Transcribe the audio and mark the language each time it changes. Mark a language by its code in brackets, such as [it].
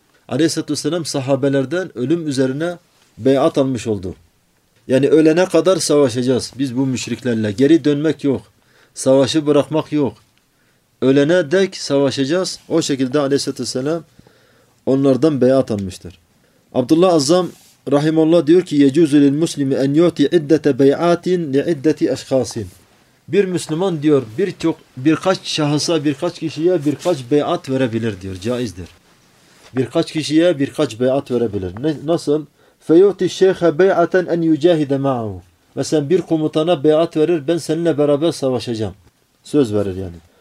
[tr] Aleyhisselatü Vesselam sahabelerden ölüm üzerine beyat almış oldu. Yani ölene kadar savaşacağız biz bu müşriklerle. Geri dönmek yok. Savaşı bırakmak yok. Ölene dek savaşacağız. O şekilde Aleyhisselatü Vesselam onlardan beyat almıştır. Abdullah Azzam Rahimullah diyor ki [ar] يَجُوزُ لِلْمُسْلِمِ اَنْ يُوْتِ اِدَّةَ بَيْعَاتٍ لِعِدَّةِ اَشْخَاسٍ. [tr] Bir Müslüman diyor birkaç şahısa, birkaç kişiye birkaç beyat verebilir diyor. Caizdir. Birkaç kişiye birkaç beyat verebilir. Nasıl? [ar] فَيُعْتِ الشَّيْخَ بَيْعَةً اَنْ يُجَاهِدَ مَعَهُ. [tr] Mesela bir komutana beyat verir, ben seninle beraber savaşacağım. söz verir yani.